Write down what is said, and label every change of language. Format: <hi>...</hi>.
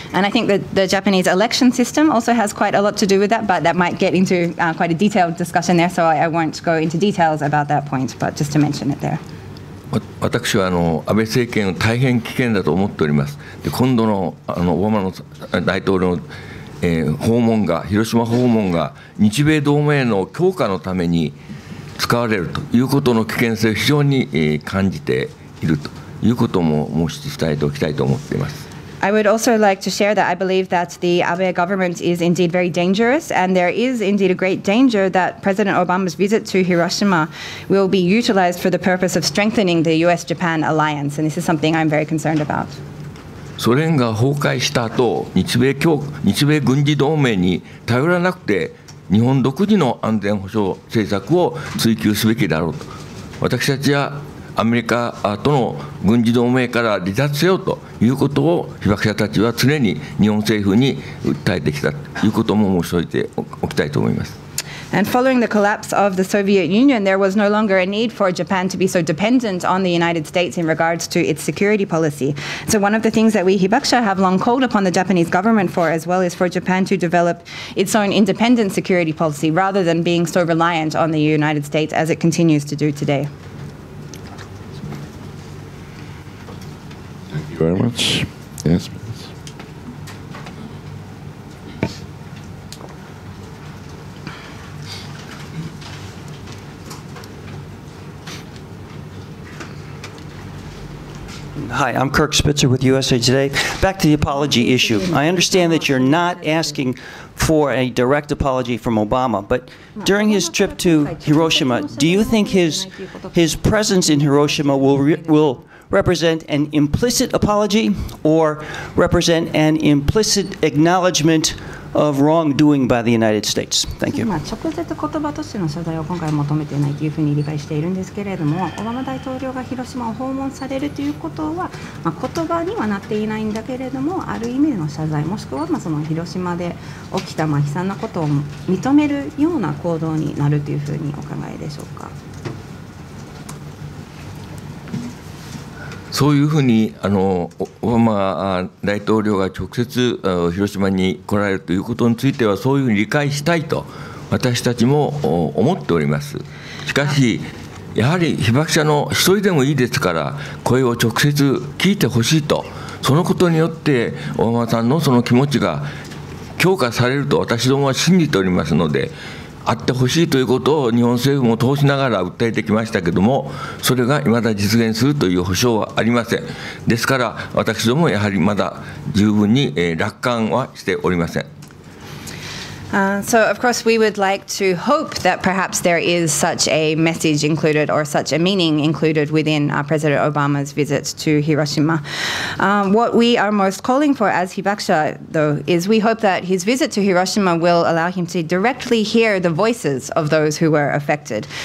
<en>And I think that the Japanese election system also has quite a lot to do with that, but that might get into quite a detailed discussion there, so I won't go into details about that point, but just to mention it there.</en> <ja>私は安倍政権を大変危険だと思っております。で、今度のオバマの大統領の、訪問が、広島訪問が日米同盟の強化のために使われるということの危険性を非常に感じていると。いうことも申し伝えておきたいと思っています。</ja> <en>I would also like to share that I believe that the Abe government is indeed very dangerous, and there is indeed a great danger that President Obama's visit to Hiroshima will be utilized for the purpose of strengthening the U.S.-Japan alliance, and this is something I'm very concerned about.</en> <ja>ソ連が崩壊した後、日米軍事同盟に頼らなくて、日本独自の安全保障政策を追求すべきだろうと。私たちはアメリカとの軍事同盟から離脱せよということを被爆者たちは常に日本政府に訴えてきたということも申し上げておきたいと思います。</ja> <en>And following the collapse of the Soviet Union, there was no longer a need for Japan to be so dependent on the United States in regards to its security policy. So one of the things that we Hibakusha have long called upon the Japanese government for as well is for Japan to develop its own independent security policy rather than being so reliant on the United States as it continues to do today. Thank you very much. Yes, please. Hi, I'm Kirk Spitzer with USA Today. Back to the apology issue. I understand that you're not asking for a direct apology from Obama, but during his trip to Hiroshima, do you think his presence in Hiroshima will represent an implicit apology or represent an implicit acknowledgement of wrongdoing by the United States? Thank you.</en> <ja>直接言葉としての謝罪を今回求めていないというふうに理解しているんですけれども、オバマ大統領が広島を訪問されるということは、まあ、言葉にはなっていないんだけれども、ある意味の謝罪、もしくはまあその広島で起きたまあ悲惨なことを認めるような行動になるというふうにお考えでしょうか。そういうふうにオバマ大統領が直接広島に来られるということについてはそういうふうに理解したいと私たちも思っております。しかしやはり被爆者の一人でもいいですから声を直接聞いてほしいと、そのことによってオバマさんのその気持ちが強化されると私どもは信じておりますので、会ってほしいということを日本政府も通しながら訴えてきましたけれども、それがいまだ実現するという保証はありません。ですから、私どもやはりまだ十分に楽観はしておりません。</ja> <en>So of course we would like to hope that perhaps there is such a message included or such a meaning included within President Obama's visit to Hiroshima. What we are most calling for as Hibakusha though is we hope that his visit to Hiroshima will allow him to directly hear the voices of those who were affected.</en>